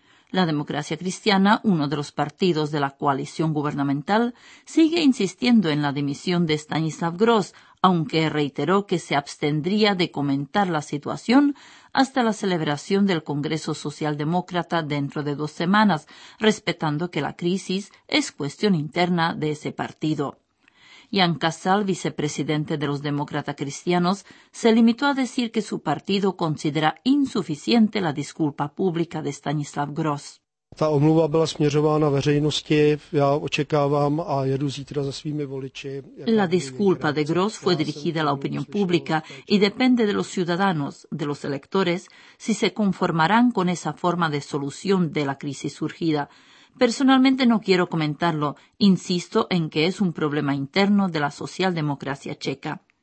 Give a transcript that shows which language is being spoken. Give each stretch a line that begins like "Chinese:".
Spanish: La democracia cristiana, uno de los partidos de la coalición gubernamental, sigue insistiendo en la dimisión de Stanislav Gross, aunque reiteró que se abstendría de comentar la situación hasta la celebración del Congreso Socialdemócrata dentro de 2 semanas, respetando que la crisis es cuestión interna de ese partido. Jan Kassal, vicepresidente de los demócratas cristianos, se limitó a decir que su partido considera insuficiente la disculpa pública de Stanislav Gross.
Czech: Ta omluva byla směřována veřejnosti, já očekávám a jedu zítra za svými voliči.
Spanish: La disculpa de Gross fue dirigida a la opinión pública y depende de los ciudadanos, de los electores, si se conformarán con esa forma de solución de la crisis surgida. Personalmente no quiero comentarlo, insisto en que es un problema interno de la socialdemocracia checa.